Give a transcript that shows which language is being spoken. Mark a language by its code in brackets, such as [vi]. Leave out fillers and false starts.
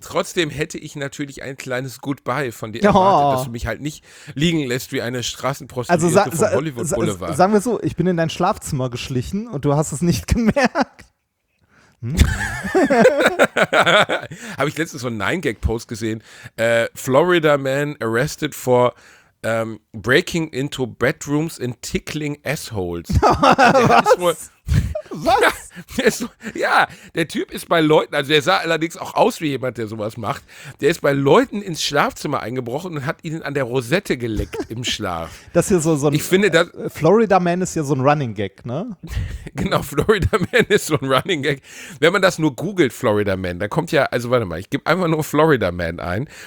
[de] Trotzdem hätte ich natürlich ein kleines Goodbye von dir erwartet, dass du mich halt nicht liegen lässt wie eine Straßenprostituierte vom Hollywood Boulevard. Sagen wir so, ich bin in dein Schlafzimmer geschlichen und du hast es nicht gemerkt. Habe ich letztens so einen 9-Gag-Post gesehen. [en] Florida man arrested for breaking into bedrooms and tickling assholes. [de] Was? Was? Der Typ ist bei Leuten, also der sah allerdings auch aus wie jemand, der sowas macht. Der ist bei Leuten ins Schlafzimmer eingebrochen und hat ihnen an der Rosette geleckt im Schlaf. Das ist ja so ein. Ich finde, Florida Man ist ja so ein Running Gag, ne? Genau, Florida Man ist so ein Running Gag. Wenn man das nur googelt, Florida Man, da kommt ja, also warte mal, ich gebe einfach nur Florida Man ein.